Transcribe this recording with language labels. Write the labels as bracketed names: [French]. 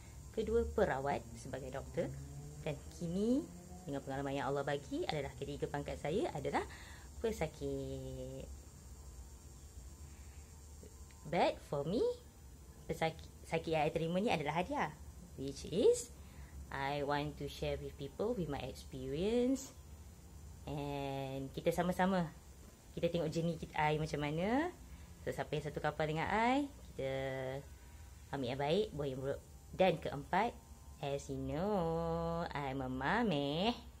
[Malay] Kedua, perawat sebagai doktor. Dan kini, dengan pengalaman yang Allah bagi, adalah ketiga pangkat saya adalah pesakit. But for me, pesakit yang saya terima ni adalah hadiah. [English] Which is, I want to share with people with my experience. [Malay] And kita sama-sama, kita tengok journey kita, I macam mana. So siapa yang satu kapal dengan I, kita ambil yang baik, buat yang buruk. [English] Dan keempat, as you know, I'm a mami.